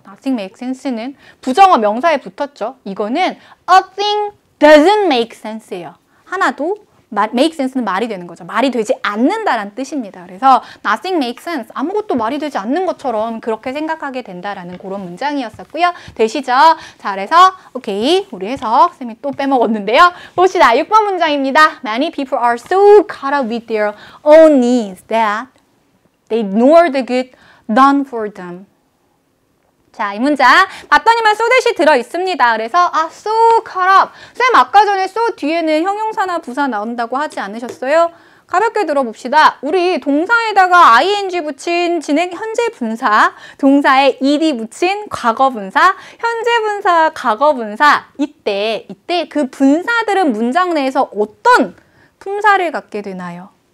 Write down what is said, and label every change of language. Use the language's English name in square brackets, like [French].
[English] nothing makes sense는 [Korean] 부정어 명사에 붙었죠. 이거는 [English] a thing doesn't make sense예요. [Korean] 하나도 [English] make sense [Korean] 는 말이 되는 거죠. 말이 되지 않는다라는 뜻입니다. [English] 그래서 nothing makes sense. [Korean] 아무것도 말이 되지 않는 것처럼 그렇게 생각하게 된다라는 그런 문장이었었고요. 되시죠? 자, 그래서 오케이. 우리 해석 쌤이 또 빼먹었는데요. 봅시다. 6번 문장입니다. [English] Many people are so caught up with their own needs that they ignore the good done for them. [Korean] 자, 이 문장 봤더니만 so 대시 들어있습니다. [English] 그래서 아, so caught up. [Korean] 쌤 아까 전에 so 뒤에는 형용사나 부사 나온다고 하지 않으셨어요? 가볍게 들어봅시다. 우리 동사에다가 ing 붙인 진행 현재 분사, 동사에 ed 붙인 과거 분사, 현재 분사, 과거 분사 이때 그 분사들은 문장 내에서 어떤 품사를 갖게 되나요?